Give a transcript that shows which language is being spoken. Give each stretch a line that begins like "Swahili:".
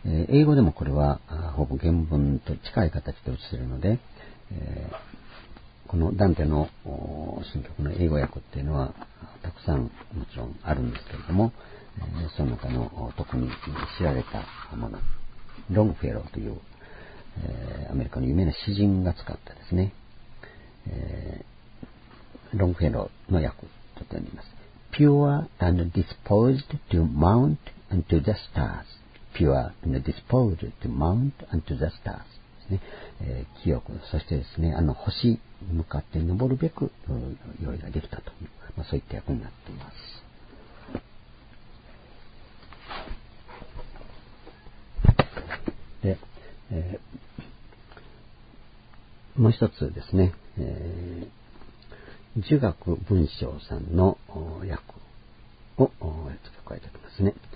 Japanese: 英語でもこれはほぼ原文と近い形で映せるので、このダンテの新曲の英語訳っていうのはたくさんもちろんあるんですけれども、その中の特に知られたものロングフェローというアメリカの有名な詩人が使ったですね、ロングフェローの訳と読みます。
English: Pure and disposed to mount unto the stars. Pure and disposed to mount unto the stars.
Japanese: ですね。清く、そしてですね、星に向かって登るべく用意ができたという、まあ、そういった訳になっています。で、もう一つですね、儒学文章さんの訳を加えておきますね。